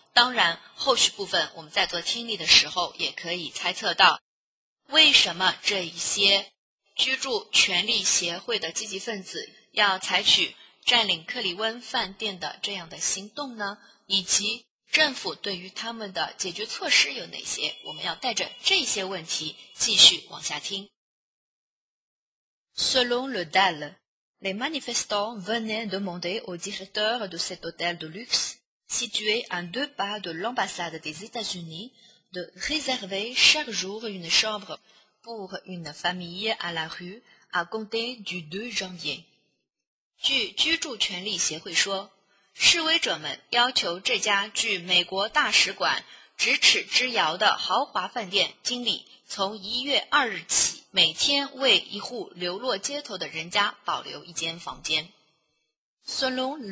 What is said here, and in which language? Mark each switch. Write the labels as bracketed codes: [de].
[zh] 当然后续部分我们在做听力的时候也可以猜测到为什么这一些居住权利协会的积极分子要采取占领克里温饭店的这样的行动呢，以及政府对于他们的解决措施有哪些？我们要带着这些问题继续往下听。 [fr] Selon le DAL, les manifestants venaient demander au directeur de cet hôtel de luxe, situé à deux pas de l'ambassade des États-Unis, de réserver chaque jour une chambre pour une famille à la rue à compter du 2 janvier. [zh] 据居住权利协会说, 示威者们要求这家具美国大使馆咫尺之遥的豪华饭店经理从1月2日起每天为一户流落街头的人家保留一间房间。Selon